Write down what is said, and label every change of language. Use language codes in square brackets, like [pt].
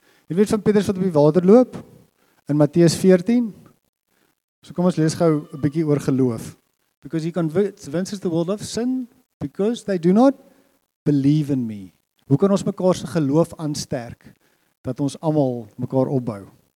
[af] Jy weet van Petrus wat op die water loop, in Matteus 14, So kom ons lees gou 'n bietjie oor geloof. [en] Because he convinces the world of sin, because they do not believe in me. [af] Hoe kan ons mekaar se geloof aansterk, dat ons almal mekaar opbou?